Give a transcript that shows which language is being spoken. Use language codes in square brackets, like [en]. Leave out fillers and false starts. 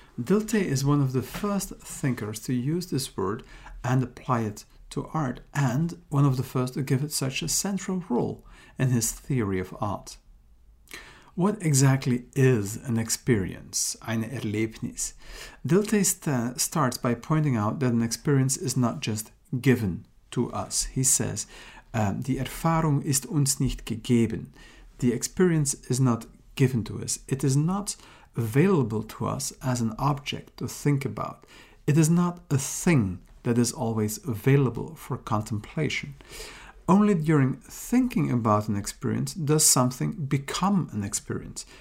[en] Dilthey is one of the first thinkers to use this word and apply it to art, and one of the first to give it such a central role in his theory of art. What exactly is an experience, eine Erlebnis? Dilthey starts by pointing out that an experience is not just given to us. He says, [de] die Erfahrung ist uns nicht gegeben. [en] The experience is not given to us. It is not available to us as an object to think about. It is not a thing that is always available for contemplation. Only during thinking about an experience does something become an experience.